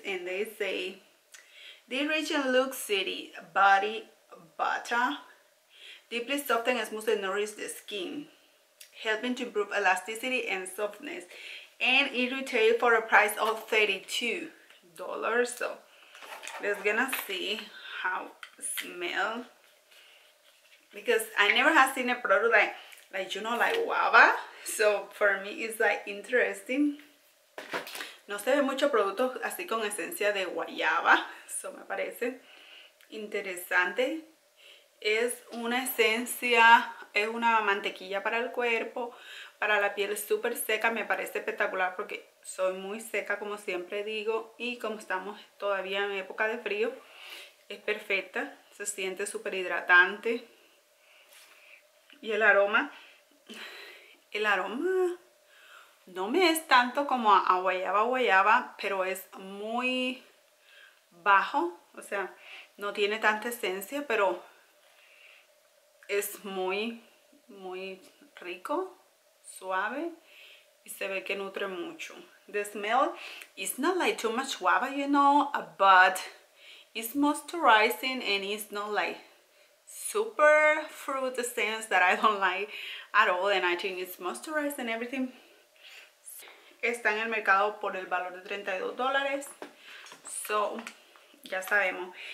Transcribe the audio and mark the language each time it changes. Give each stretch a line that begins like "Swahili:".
English: And they say the region Luxie City body butter deeply soften and smooth and nourish the skin, helping to improve elasticity and softness. And it retails for a price of $32. So let's gonna see how it smells. Because I never have seen a product like guava. So for me, it's like interesting.
Spanish: No se ve mucho producto así con esencia de guayaba. So me parece interesante. Es una esencia, es una mantequilla para el cuerpo, para la piel súper seca. Me parece espectacular porque soy muy seca, como siempre digo, y como estamos todavía en época de frío, es perfecta. Se siente súper hidratante. Y el aroma no me es tanto como a guayaba, pero es muy bajo, o sea, no tiene tanta esencia, pero es muy rico, suave, y se ve que nutre mucho.
English: The smell is not like too much guava, you know, but it's moisturizing and it's not like super fruit scents that I don't like at all, and I think it's moisturizing and everything.
Spanish: Está en el mercado por el valor de $32, so ya sabemos.